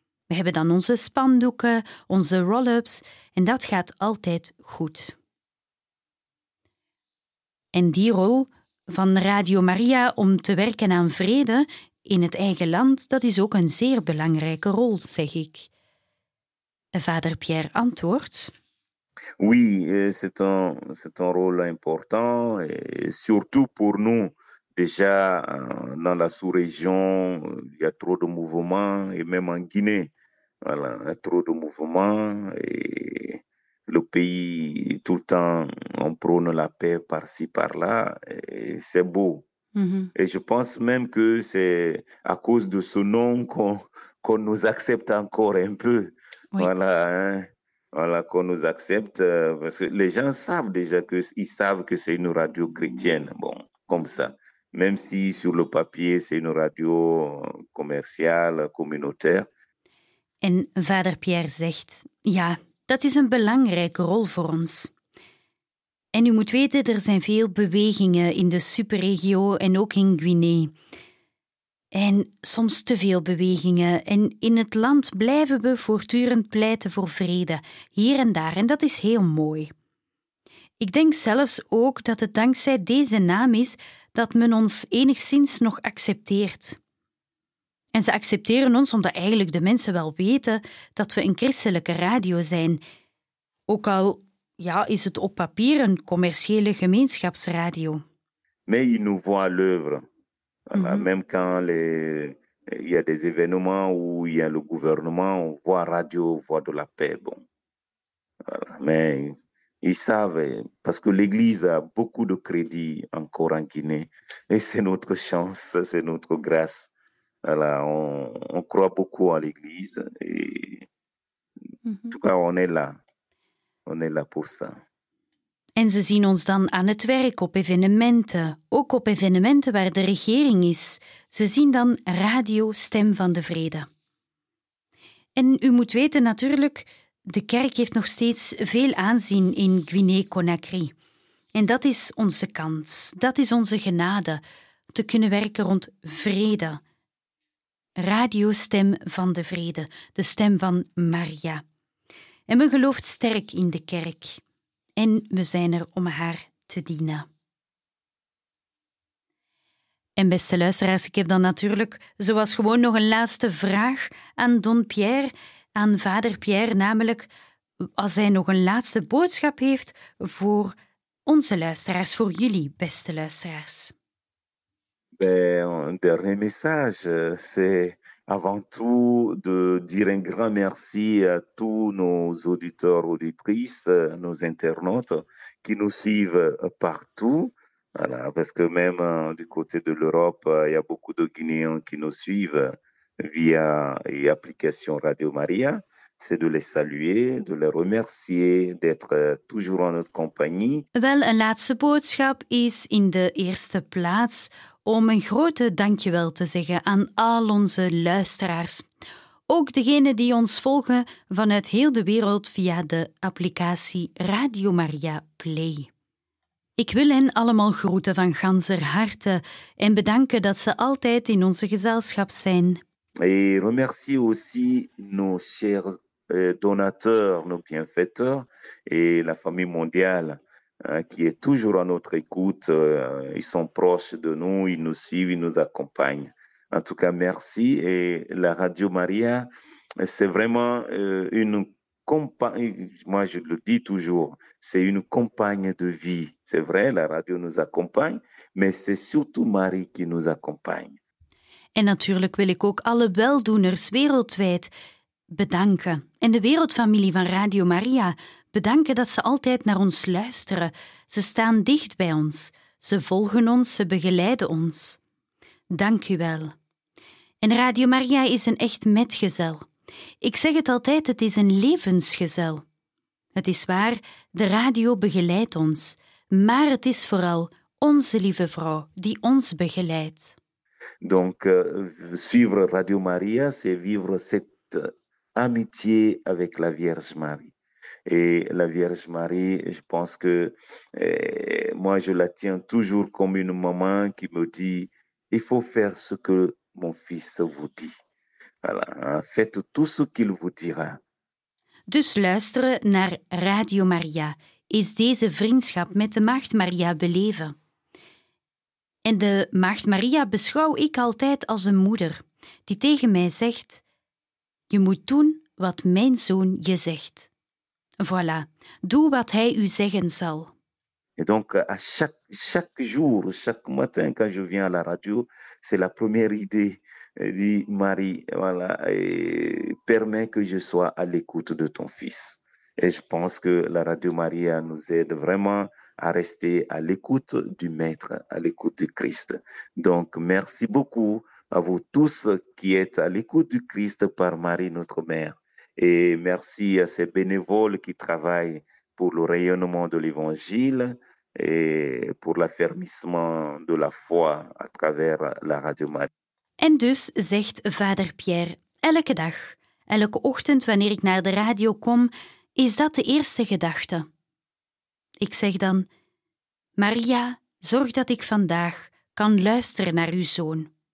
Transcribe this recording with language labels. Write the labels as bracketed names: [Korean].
[Dutch] We hebben dan onze spandoeken, onze roll-ups en dat gaat altijd goed. En die rol van Radio Maria om te werken aan vrede in het eigen land, dat is ook een zeer belangrijke rol, zeg ik. Vader Pierre antwoordt. [French] Oui, c'est un rôle important, et surtout pour nous. Déjà, dans la sous-région, il y a trop de mouvements, et même en Guinée. Voilà, trop de mouvements et le pays tout le temps on prône la paix par-ci par-là et c'est beau. Mm-hmm. Et je pense même que c'est à cause de ce nom qu'on nous accepte encore un peu. Oui. Voilà, hein? Voilà qu'on nous accepte parce que les gens savent déjà que ils savent que c'est une radio chrétienne. Bon, comme ça. Même si sur le papier c'est une radio commerciale communautaire. [Dutch] En vader Pierre zegt, ja, dat is een belangrijke rol voor ons. En u moet weten, er zijn veel bewegingen in de superregio en ook in Guinea. En soms te veel bewegingen. En in het land blijven we voortdurend pleiten voor vrede, hier en daar. En dat is heel mooi. Ik denk zelfs ook dat het dankzij deze naam is dat men ons enigszins nog accepteert. En ze accepteren ons omdat eigenlijk de mensen wel weten dat we een christelijke radio zijn. Ook al ja, is het op papier een commerciële gemeenschapsradio. [French] Mais ils nous voient à l'œuvre. Voilà, mm-hmm. Même quand Il y a des événements où il y a le gouvernement, on voit radio, voix de la paix. Bon. Voilà. Mais ils savent, parce que l'Église a beaucoup de crédit encore en Guinée, et c'est notre chance, c'est notre grâce. Voilà, on croit beaucoup à l'Église, et tout cas, on est là. On est là pour ça. [Dutch] En ze zien ons dan aan het werk op evenementen, ook op evenementen waar de regering is. Ze zien dan radio Stem van de Vrede. En u moet weten natuurlijk, de kerk heeft nog steeds veel aanzien in Guinea-Conakry. En dat is onze kans, dat is onze genade, te kunnen werken rond vrede. Radio Stem van de Vrede, de stem van Maria. En men gelooft sterk in de kerk. En we zijn er om haar te dienen. En beste luisteraars, ik heb dan natuurlijk zoals gewoon nog een laatste vraag aan Don Pierre, aan vader Pierre, namelijk als hij nog een laatste boodschap heeft voor onze luisteraars, voor jullie, beste luisteraars. [French] Un dernier message, c'est avant tout de dire un grand merci à tous nos auditeurs, auditrices, nos internautes qui nous suivent partout. Voilà, parce que même du côté de l'Europe, il y a beaucoup de Guinéens qui nous suivent via l'application Radio Maria. C'est de les saluer, de les remercier d'être toujours en notre compagnie. [Dutch] Wel, een laatste boodschap is in de eerste plaats om een grote dankjewel te zeggen aan al onze luisteraars. Ook degenen die ons volgen vanuit heel de wereld via de applicatie Radio Maria Play. Ik wil hen allemaal groeten van ganser harte en bedanken dat ze altijd in onze gezelschap zijn. [French] Et remercie aussi nos chers donateurs, nos bienfaiteurs et la famille mondiale hein, qui est toujours à notre écoute. Ils sont proches de nous, ils nous suivent, ils nous accompagnent. En tout cas, merci. Et la Radio Maria, c'est vraiment une compagne, moi je le dis toujours, c'est une compagne de vie. C'est vrai, la radio nous accompagne, mais c'est surtout Marie qui nous accompagne. [Dutch] En natuurlijk wil ik ook alle weldoeners wereldwijd bedanken. En de wereldfamilie van Radio Maria bedanken dat ze altijd naar ons luisteren. Ze staan dicht bij ons. Ze volgen ons, ze begeleiden ons. Dank u wel. En Radio Maria is een echt metgezel. Ik zeg het altijd, het is een levensgezel. Het is waar, de radio begeleidt ons. Maar het is vooral onze lieve vrouw die ons begeleidt. [French] Donc, suivre Radio Maria, c'est vivre cette amitié avec la Vierge Marie. Et la Vierge Marie, je pense que moi, je la tiens toujours comme une maman qui me dit, il faut faire ce que mon fils vous dit. Voilà, faites tout ce qu'il vous dira. [Dutch] Dus luisteren naar Radio Maria is deze vriendschap met de Maagd Maria beleven. En de Maagd Maria beschouw ik altijd als een moeder die tegen mij zegt: je moet doen wat mijn zoon je zegt. Voilà, doe wat hij u zeggen zal. [French] Et donc, à chaque jour, chaque matin, quand je viens à la radio, c'est la première idée, dit Marie, voilà, et permet que je sois à l'écoute de ton fils. Et je pense que la radio Maria nous aide vraiment à rester à l'écoute du Maître, à l'écoute du Christ. Donc, merci beaucoup à vous tous qui êtes à l'écoute du Christ par Marie, notre Mère. Et merci à ces bénévoles qui travaillent pour le rayonnement de l'Évangile et pour l'affermissement de la foi à travers la Radio Marie. [Dutch] En dus zegt vader Pierre, elke dag, elke ochtend wanneer ik naar de radio kom, is dat de eerste gedachte. Ik zeg dan: Maria, zorg dat ik vandaag kan luisteren naar uw zoon.